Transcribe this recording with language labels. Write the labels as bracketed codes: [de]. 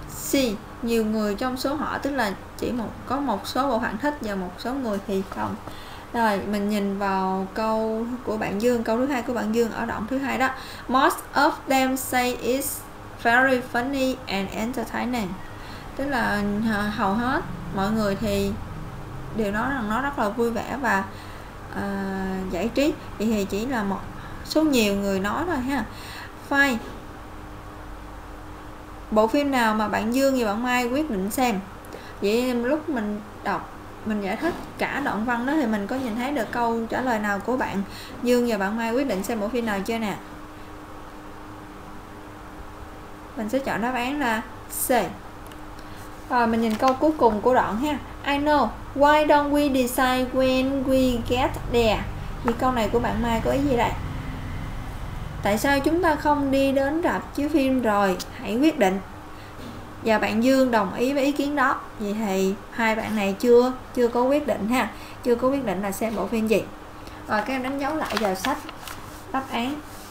[vi] C, nhiều người trong số họ, tức là chỉ một có một số bộ phận thích và một số người thì không. Rồi, mình nhìn vào câu của bạn Dương, câu thứ hai của bạn Dương ở đoạn thứ hai đó. [en] Most of them say it's very funny and entertaining. [vi] Tức là hầu hết mọi người thì đều nói rằng nó rất là vui vẻ và giải trí. Vậy thì chỉ là một số nhiều người nói thôi ha. Fine. Bộ phim nào mà bạn Dương và bạn Mai quyết định xem? Vậy lúc mình đọc, mình giải thích cả đoạn văn đó thì mình có nhìn thấy được câu trả lời nào của bạn Dương và bạn Mai quyết định xem bộ phim nào chưa nè? Mình sẽ chọn đáp án là C. Rồi mình nhìn câu cuối cùng của đoạn ha. [en] I know, why don't we decide when we get there? [vi] Thì câu này của bạn Mai có ý gì đây? Tại sao chúng ta không đi đến rạp chiếu phim rồi hãy quyết định? Và bạn Dương đồng ý với ý kiến đó. Vậy thì hai bạn này chưa có quyết định ha, chưa có quyết định là xem bộ phim gì. Rồi các em đánh dấu lại vào sách đáp án.